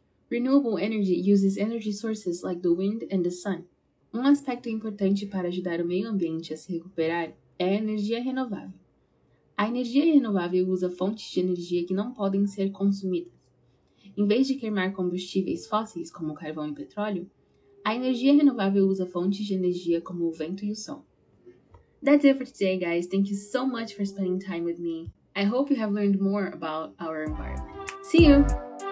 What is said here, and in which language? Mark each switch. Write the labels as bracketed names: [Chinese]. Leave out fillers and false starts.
[English] Renewable energy uses energy sources like the wind and the sun. [Portuguese] Um aspecto importante para ajudar o meio ambiente a se recuperar é a energia renovável. A energia renovável usa fontes de energia que não podem ser consumidas. Em vez de queimar combustíveis fósseis, como carvão e petróleo, a energia renovável usa fontes de energia como o vento e o sol. [English] That's it for today, guys. Thank you so much for spending time with me. I hope you have learned more about our environment. See you!